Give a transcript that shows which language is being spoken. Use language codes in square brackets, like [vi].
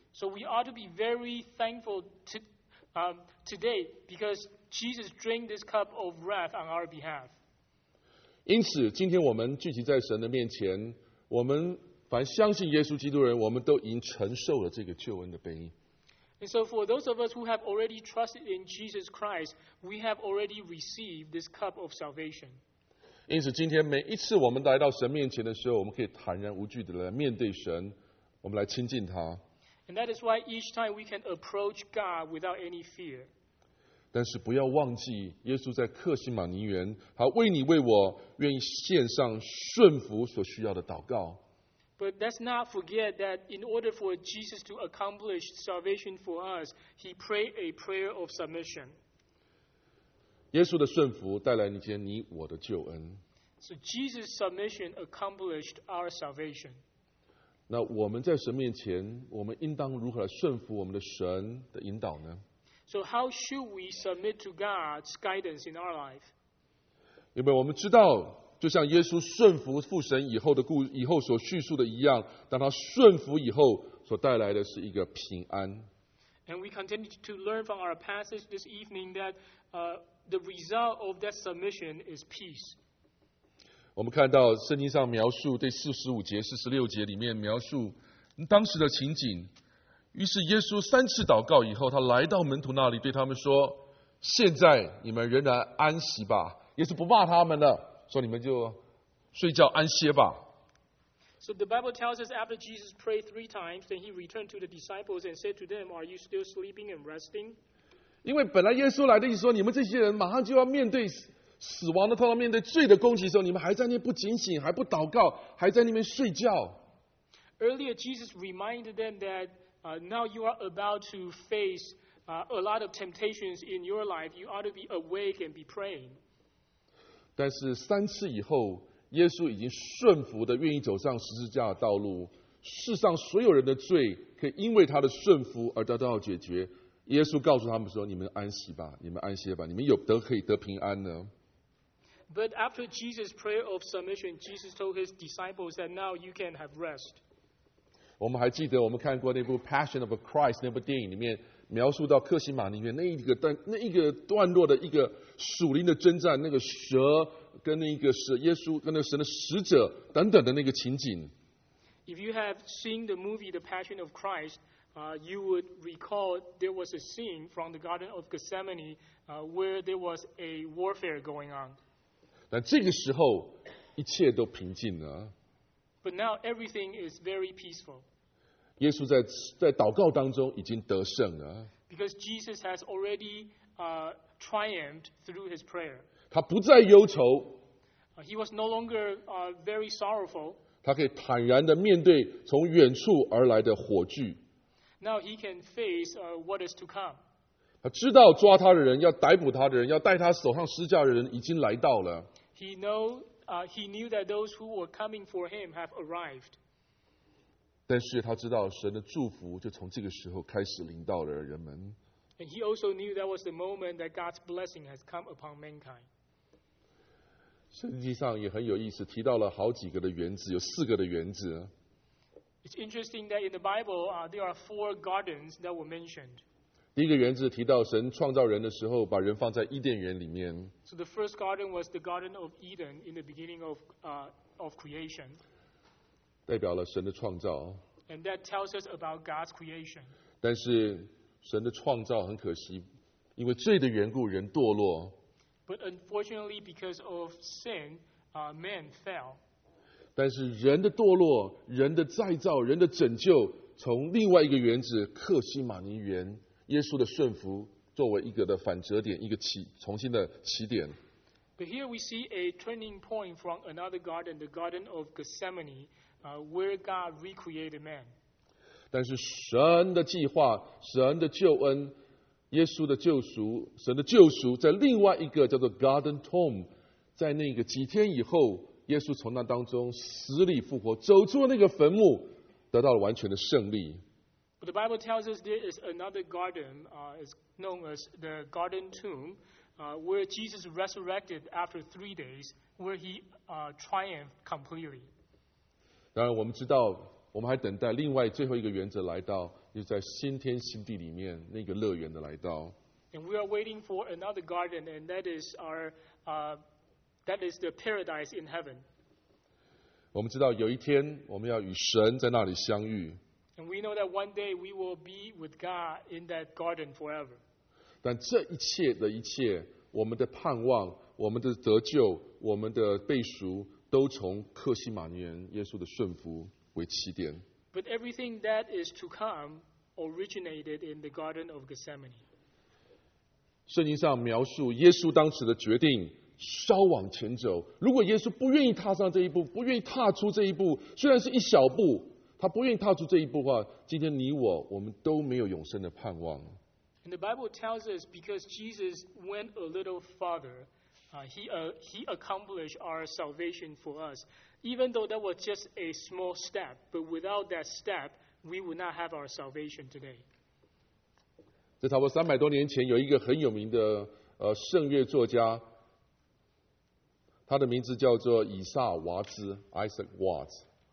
[en] So we ought to be very thankful today because Jesus drank this cup of wrath on our behalf. [zh] 因此，今天我们聚集在神的面前，我们凡相信耶稣基督的人，我们都已经承受了这个救恩的杯。 [en] And so for those of us who have already trusted in Jesus Christ, we have already received this cup of salvation. [zh] 因此，今天每一次我们来到神面前的时候，我们可以坦然无惧地来面对神，我们来亲近他。 [en] And that is why each time we can approach God without any fear. [zh] 但是不要忘记，耶稣在客西马尼园，他为你为我愿意献上顺服所需要的祷告。 [en] But let's not forget that in order for Jesus to accomplish salvation for us, he prayed a prayer of submission. [zh] 耶稣的顺服带来你我的救恩。 [en] So Jesus' submission accomplished our salvation. [zh] 那我们在神面前，我们应当如何来顺服我们的神的引导呢？ [en] So how should we submit to God's guidance in our life? [zh] 因为我们知道，就像耶稣顺服父神以后的故以后所叙述的一样，当他顺服以后所带来的是一个平安。 [en] And we continue to learn from our passage this evening that the result of that submission is peace. [zh] 我们看到圣经上描述第45节、46节里面描述当时的情景。于是耶稣三次祷告以后，他来到门徒那里，对他们说：“现在你们仍然安息吧。” 耶稣不骂他们了，说：“你们就睡觉安歇吧。” [en] So the Bible tells us after Jesus prayed 3 times, then he returned to the disciples and said to them, "Are you still sleeping and resting?" [zh] 因为本来耶稣来的意思说，你们这些人马上就要面对死亡的痛，面对罪的攻击的时候，你们还在那不警醒，还不祷告，还在那边睡觉。 [en] Earlier, Jesus reminded them that now you are about to face a lot of temptations in your life. You ought to be awake and be praying. [zh] 但是三次以后，耶稣已经顺服的愿意走上十字架的道路，世上所有人的罪可以因为他的顺服而得到解决。耶稣告诉他们说：“你们安息吧，你们安歇吧，你们有得可以得平安呢。” [en] But after Jesus' prayer of submission, Jesus told his disciples that now you can have rest. [zh] 我们还记得我们看过那部《Passion of a Christ》那部电影里面描述到克西马尼园那一个段落的一个属灵的征战，那个蛇跟那个是耶稣跟那个神的使者等等的那个情景。 [en] If you have seen the movie The Passion of Christ, you would recall there was a scene from the Garden of Gethsemane, where there was a warfare going on. [zh] 但这个时候一切都平静了。 [en] But now everything is very peaceful. [zh] 耶稣在祷告当中已经得胜了。 [en] Because Jesus has already triumphed through his prayer. [zh] 他不再忧愁。 [en] He was no longer very sorrowful. [zh] 他可以坦然地面对从远处而来的火炬。 [en] Now he can face what is to come. [zh] 他知道抓他的人、要逮捕他的人、要带他走上十字架的人已经来到了。 [en] He knew that those who were coming for him have arrived. [zh] 但是他知道神的祝福就从这个时候开始临到了人们。 [en] And he also knew that was the moment that God's blessing has come upon mankind. [zh] 圣经上也很有意思，提到了好几个的园子，有四个的园子。 [en] It's interesting that in the Bible, there are 4 gardens that were mentioned. [zh] 第一个园子提到神创造人的时候，把人放在伊甸园里面。 [en] So the first garden was the Garden of Eden in the beginning of creation. [zh] 代表了神的创造。 [en] And that tells us about God's creation. [zh] 但是神的创造很可惜，因为罪的缘故，人堕落。 [en] But unfortunately, because of sin, man fell. [zh] 但是人的堕落、人的再造、人的拯救，从另外一个园子——克西马尼园，耶稣的顺服作为一个的反折点，一个重新的起点。 [en] But here we see a turning point from another garden, the Garden of Gethsemane, where God recreated man. [zh] 但是神的计划、神的救恩、耶稣的救赎、神的救赎，在另外一个叫做 Garden Tomb， 在那个几天以后，耶稣从那当中死里复活，走出了那个坟墓，得到了完全的胜利。 [en] But the Bible tells us there is another garden, is known as the Garden Tomb, where Jesus resurrected after 3 days, where he triumphed completely. [zh] 当然，我们知道。我们还等待另外最后一个原则来到，就是在新天新地里面那个乐园的来到。 [en] And we are waiting for another garden, and that is our, that is the paradise in heaven. [zh] 我们知道有一天我们要与神在那里相遇。 [en] And we know that one day we will be with God in that garden forever. [zh] 但这一切的一切，我们的盼望、我们的得救、我们的被赎，都从克西马尼园耶稣的顺服。 [en] But everything that is to come originated in the Garden of Gethsemane. [zh] 圣经上描述耶稣当时的决定，稍往前走。如果耶稣不愿意踏上这一步，不愿意踏出这一步，虽然是一小步，他不愿意踏出这一步的话，今天你我，我们都没有永生的盼望。 [en] And the Bible tells us because Jesus went a little farther, he accomplished our salvation for us. Even though that was just a small step, but without that step, we would not have our salvation today. [zh] 在差不多300多年前，有一个很有名的圣乐作家，他的名字叫做以撒瓦兹 Isaac Watts.